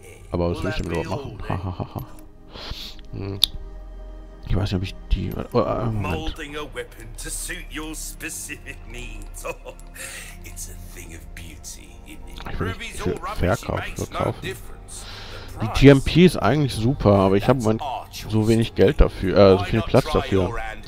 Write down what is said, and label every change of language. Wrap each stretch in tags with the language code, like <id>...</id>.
<de>Aber was will ich denn überhaupt machen? Hahaha. Ich weiß nicht, ob ich die.</de> <en>Molding a weapon to suit your specific needs. It's a thing of beauty.</en> <de>Verkaufen. Die GMP ist eigentlich super, aber ich habe so wenig Geld dafür, so viel Platz dafür.</de>